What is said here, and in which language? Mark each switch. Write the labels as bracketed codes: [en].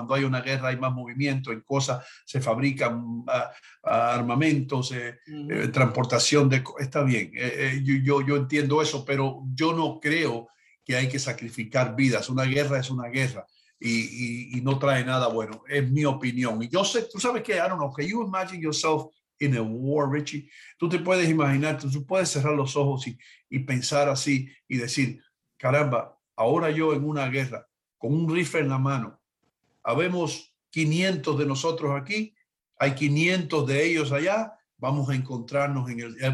[es] Cuando hay una guerra hay más movimiento en cosas, se fabrican armamentos, transportación de... Está bien, yo entiendo eso, pero yo no creo que hay que sacrificar vidas. Una guerra es una guerra y no trae nada bueno, es mi opinión. Y yo sé, tú sabes que, [en] I don't know, can you imagine yourself in a war, Richie? [es] Tú te puedes imaginar, tú puedes cerrar los ojos y pensar así y decir... Caramba, ahora yo en una guerra con un rifle en la mano, habemos 500 de nosotros aquí, hay 500 de ellos allá, vamos a encontrarnos en el...